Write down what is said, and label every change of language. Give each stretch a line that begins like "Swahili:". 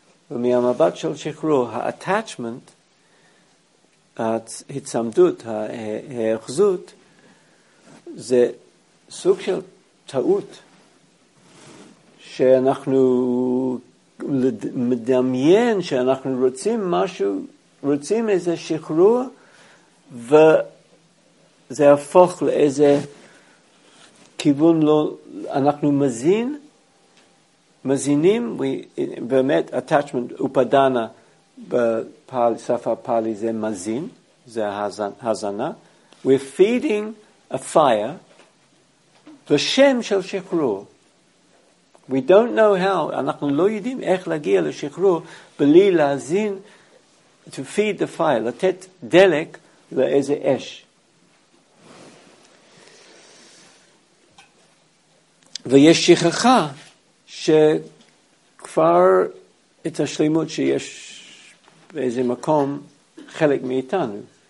Hebrew: ומהמבט של שחרור, ה-attachment, ההצמדות, ההאחזות, זה סוג של טעות שאנחנו מדמיין שאנחנו רוצים משהו, רוצים איזה שחרור, וזה הפוך לאיזה כיוון לא, אנחנו מזינים, באמת attachment upadana בפעלי, שפה פעלי זה מזין, זה הזנה.
English: We're feeding a fire,
Hebrew: בשם של שחרור.
English: We don't know how,
Hebrew: אנחנו לא יודעים איך להגיע לשחרור, בלי להזין,
English: to feed the fire,
Hebrew: לתת דלק לאיזה אש. ויש שכחה, שכבר את השלימות שיש באיזה מקום, חלק מאיתנו.